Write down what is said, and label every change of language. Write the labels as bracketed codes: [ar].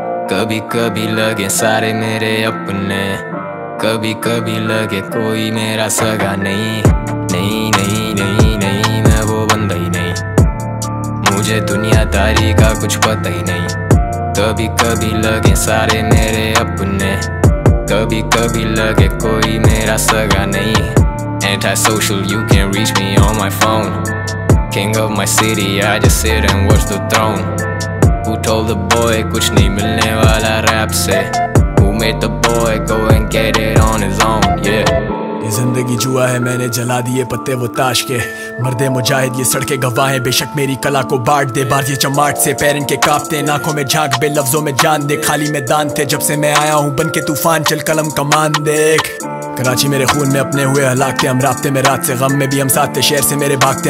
[hi] कभी कभी लगे सारे मेरे अपने, कभी कभी लगे कोई मेरा सगा नहीं। नहीं नहीं नहीं नहीं मैं वो बंदा ही नहीं, मुझे दुनियादारी का कुछ पता ही नहीं। कभी कभी लगे सारे मेरे अपने, कभी कभी लगे कोई मेरा सगा नहीं। [en] Antisocial, you can reach me on my phone. King of my city, I just sit and watch the throne. Who told the boy [hi] कुछ नहीं मिलने वाला [en] rap से? Who made the boy go and get it on his own? Yeah. [hi] ये जिंदगी जुआ है, मैंने जला दिए पत्ते वो ताश के। मर्दे मुजाहिद ये सड़के गवाह है, बेशक मेरी कला को बांट दे बार ये चमाट से। पैरन के कांपते नाकों में झांक, बे लफ्जों में जान दे, खाली मैदान थे जब से मैं आया हूँ बन के तूफान, चल कलम कमान देख। कराची मेरे खून में अपने हुए हलाक थे, हम रबते में रात से, गम में भी हम साथ थे, शेर से मेरे भागते।